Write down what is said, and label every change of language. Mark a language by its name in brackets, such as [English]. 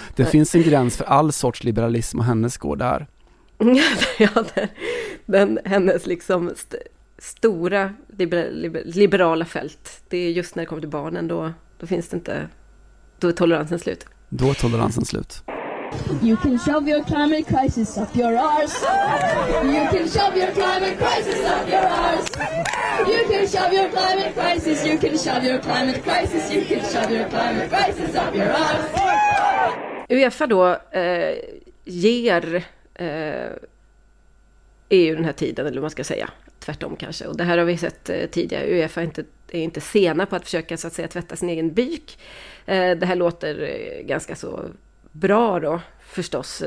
[Swedish] Det finns en gräns för all sorts liberalism och hennes går där. Ja, den hennes liksom stora liberala fält. Det är just när det kommer till barnen då finns det inte, då är toleransen slut. Då är toleransen slut. [English] You can shove your climate crisis up your arse. You can shove your climate crisis up your arse. You can shove your climate crisis. You can shove your climate crisis. You can shove your climate crisis up your arse. [Swedish] UEFA då ger EU den här tiden, eller vad man ska säga. Tvärtom kanske. Och det här har vi sett tidigare. UEFA är inte sena på att försöka, så att säga, tvätta sin egen byk. Det här låter ganska så bra då, förstås.